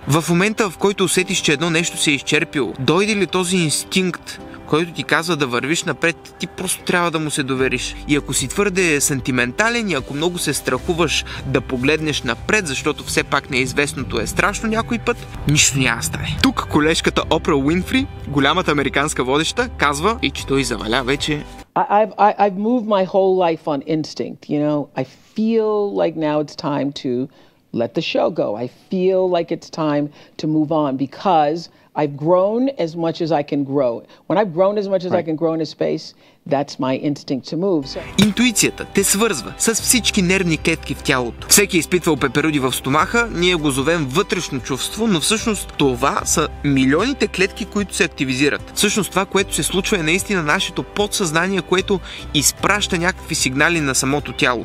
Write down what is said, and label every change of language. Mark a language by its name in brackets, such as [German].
[Bulgarian] В момента, в който усетиш, че едно нещо се е изчерпило, дойде ли този инстинкт, който ти казва да вървиш напред, ти просто трябва да му се довериш. И ако си твърде сантиментален и ако много се страхуваш да погледнеш напред, защото все пак неизвестното е страшно някой път, нищо няма стане. Тук колежката Опра Уинфри, голямата американска водеща, казва, и че той заваля вече. [English] I've moved my whole life on instinct, you know. I feel like now it's time to let the show go. I feel like it's time to move on because I've grown as much as I can grow. When I've grown as much as I can grow in a space, that's my instinct to move. So... [Bulgarian] Интуицията те свързва с всички нервни клетки в тялото. Всеки е изпитвал пеперуди в стомаха, ние го зовем вътрешно чувство, но всъщност това са милионите клетки, които се активизират. Всъщност това, което се случва, е наистина нашето подсъзнание, което изпраща някакви сигнали на самото тяло.